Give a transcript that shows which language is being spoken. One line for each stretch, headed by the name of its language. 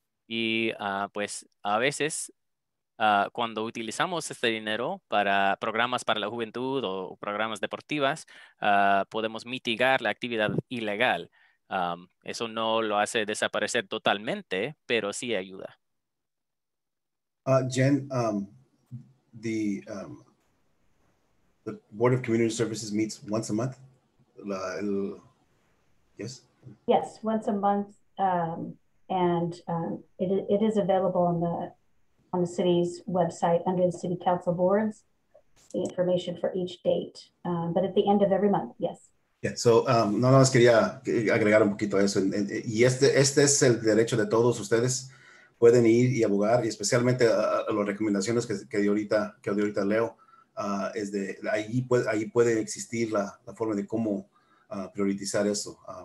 Spanish: Y pues a veces cuando utilizamos este dinero para programas para la juventud o programas deportivas, podemos mitigar la actividad ilegal. Eso no lo hace desaparecer totalmente, pero sí ayuda.
English: Jen, the Board of Community Services meets once a month. Yes, once a month. It is available on the city's website under the city council boards, the information for each date, but at the end of every month, yes. Yeah, so
Spanish: no, no, quería agregar un poquito eso. Y este es el derecho de todos ustedes. Pueden ir y abogar, y especialmente a las recomendaciones que ahorita leo, es de ahí puede existir la forma de cómo priorizar eso.